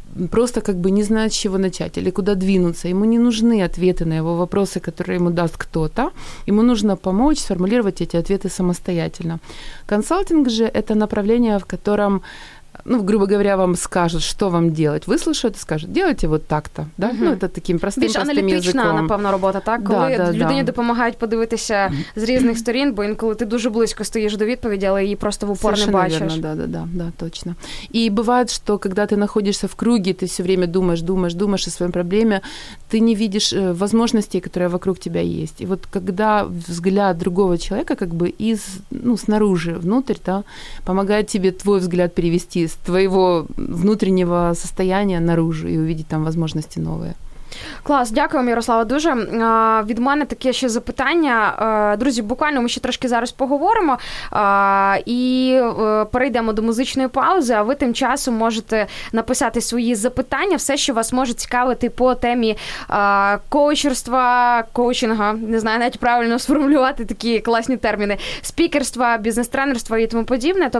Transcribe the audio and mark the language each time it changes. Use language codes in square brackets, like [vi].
[ru] просто как бы не знает, с чего начать или куда двинуться. Ему не нужны ответы на его вопросы, которые ему даст кто-то. Ему нужно помочь сформулировать эти ответы самостоятельно. Консалтинг же – это направление, в котором, ну, грубо говоря, вам скажут, что вам делать. Выслушают и скажут, делайте вот так-то. Да? Угу. Ну, это таким простым языком. [uk] Більш аналітична, напевно, робота, так? Коли людині допомагають подивитися з різних сторін, бо інколи ти дуже близько стоїш до відповіді, але її просто в упор [ru] совершенно [uk] не бачиш. [ru] Верно. Да, точно. [uk] І буває, що коли ти знаходишся в кругі, ти [ru] все время [uk] думаєш о своїй проблемі, ти не видиш можливостей, які [ru] вокруг тебе [uk] є. І от коли взгляд другого чоловіка, як би, із, [ru] ну, снаружи, внутрь, да, помогає тебе твій взгляд перевести из твоего внутреннего состояния наружу и увидеть там возможности новые. [uk] Клас, дякую вам, Ярослава, дуже. Від мене таке ще запитання. Друзі, буквально ми ще трошки зараз поговоримо і перейдемо до музичної паузи, а ви тим часом можете написати свої запитання, все, що вас може цікавити по темі коучерства, коучинга, не знаю навіть правильно сформулювати такі класні терміни, спікерства, бізнес-тренерства і тому подібне.